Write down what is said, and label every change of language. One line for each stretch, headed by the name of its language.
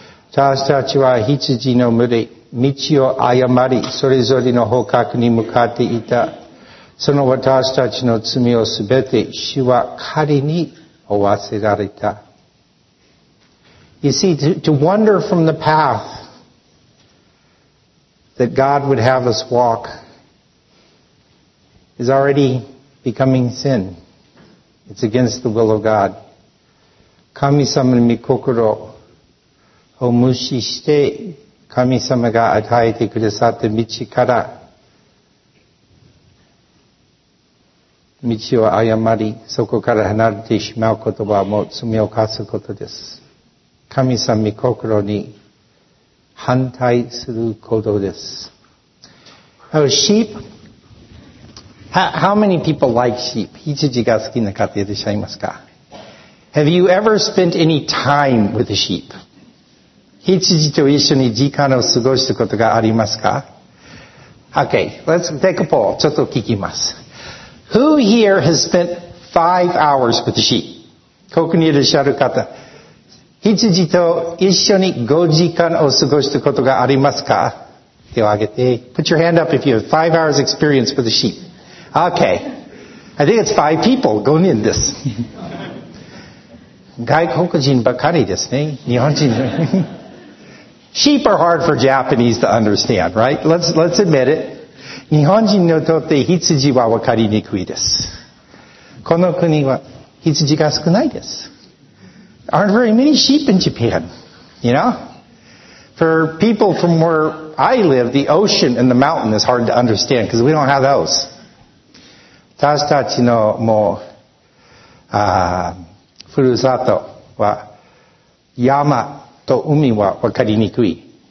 Japanese: 私たちは羊の群れ、道を誤り、それぞれの方角に向かっていた。その私たちの罪をすべて主は仮に負わせられた。
English: You see, to wander from the path that God would have us walk is already becoming sin. It's against the will of God.
Japanese: 神様の御心を無視して神様が与えてくださった道から道を誤り、そこから離れてしまうことはもう罪を犯すことです。神様の御心に反対する行動です。
English: Oh, sheep? How many people like sheep?
Japanese: 羊が好きな方いらっしゃいますか?
English: Have you ever spent any time with a sheep?
Japanese: 羊と一緒に時間を過ごしたことがありますか?
English: Okay, let's take a poll.
Japanese: ちょっと聞きます。
English: Who here has spent 5 hours with the sheep?
Japanese: ここにいらっしゃる方。羊と一緒に5時間を過ごしたことがありますか? 手を挙げて。
English: Put your hand up if you have 5 hours experience with the sheep. Okay. I think it's 5 people.
Japanese: 5人です。外国人ばかりですね。日本人。
English: Sheep are hard for Japanese to understand, right? Let's admit it.
Japanese: 日本人にとって羊はわかりにくいです。この国は羊が少ないです。
English: Aren't very many sheep in Japan, you know? For people from where I live, the ocean and the mountain is hard to understand because we don't have those.
Japanese: 私たちのもう、ふるさとは山と海はわかりにくい。